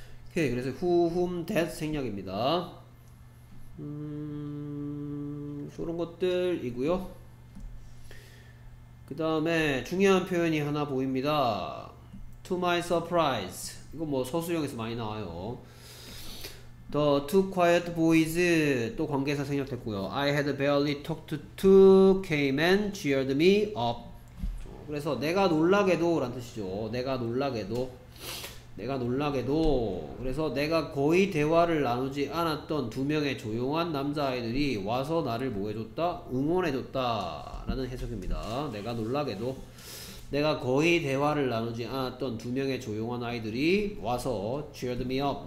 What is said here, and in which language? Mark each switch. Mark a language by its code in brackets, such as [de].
[ko] 오케이. 그래서 who, whom, that 생략입니다. 이런 것들이고요. 그 다음에 중요한 표현이 하나 보입니다. [en] To my surprise. [ko] 이거 뭐 서술형에서 많이 나와요. [en] The two quiet boys. [ko] 또 관계사 생략됐고요. [en] I had barely talked to came and cheered me up. [ko] 그래서 내가 놀라게도 라는 뜻이죠. 내가 놀라게도. 내가 놀라게도, 그래서 내가 거의 대화를 나누지 않았던 두 명의 조용한 남자아이들이 와서 나를 뭐 해줬다? 응원해줬다. 라는 해석입니다. 내가 놀라게도, 내가 거의 대화를 나누지 않았던 두 명의 조용한 아이들이 와서 [en] cheered me up.